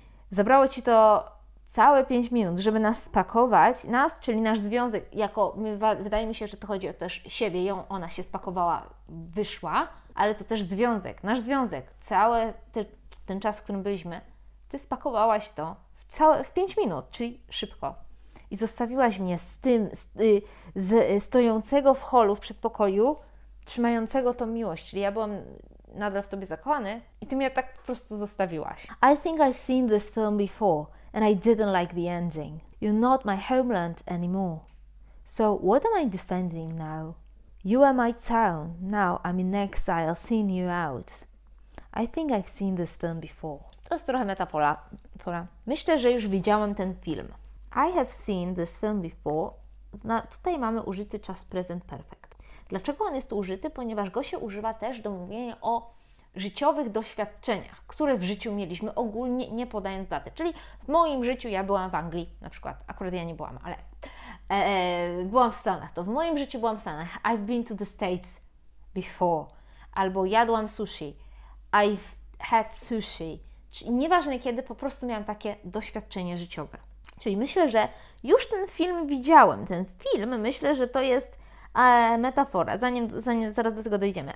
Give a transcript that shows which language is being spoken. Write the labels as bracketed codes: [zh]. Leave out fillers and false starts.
[pl] Zabrało ci to całe 5 minut, żeby nas spakować, nas, czyli nasz związek, jako, wydaje mi się, że to chodzi o też siebie, ją, ona się spakowała, wyszła, ale to też związek, nasz związek, cały ten czas, w którym byliśmy, ty spakowałaś to w 5 minut, czyli szybko. I zostawiłaś mnie z tym, z stojącego w holu, w przedpokoju, trzymającego tą miłość. Czyli ja byłam nadal w tobie zakochany i ty mnie tak po prostu zostawiłaś. [en] I think I've seen this film before and I didn't like the ending. You're not my homeland anymore. So what am I defending now? You are my town. Now I'm in exile, seeing you out. I think I've seen this film before. [pl] To jest trochę metafora. Myślę, że już widziałam ten film. [en] I have seen this film before. [pl] Tutaj mamy użyty czas present perfect. Dlaczego on jest tu użyty? Ponieważ go się używa też do mówienia o życiowych doświadczeniach, które w życiu mieliśmy ogólnie, nie podając daty. Czyli w moim życiu ja byłam w Anglii, na przykład, akurat ja nie byłam, ale byłam w Stanach. To w moim życiu byłam w Stanach. [en] I've been to the States before. [pl] Albo jadłam sushi. [en] I've had sushi. [pl] Czyli nieważne kiedy, po prostu miałam takie doświadczenie życiowe. Czyli myślę, że już ten film widziałem. Ten film, myślę, że to jest metafora, zanim zaraz do tego dojdziemy.